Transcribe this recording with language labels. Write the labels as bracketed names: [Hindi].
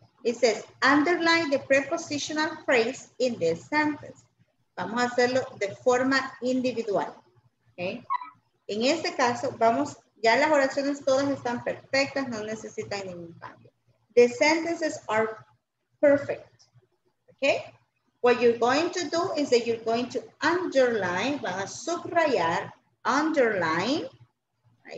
[English] It says, underline the prepositional phrase in this sentence. [Spanish] Vamos a hacerlo de forma individual. Okay? En este caso, vamos, ya las oraciones todas están perfectas, no necesitan ningún cambio. [English] The sentences are perfect. Okay? What you're going to do is that you're going to underline, [Spanish] van a subrayar, [English] underline, right?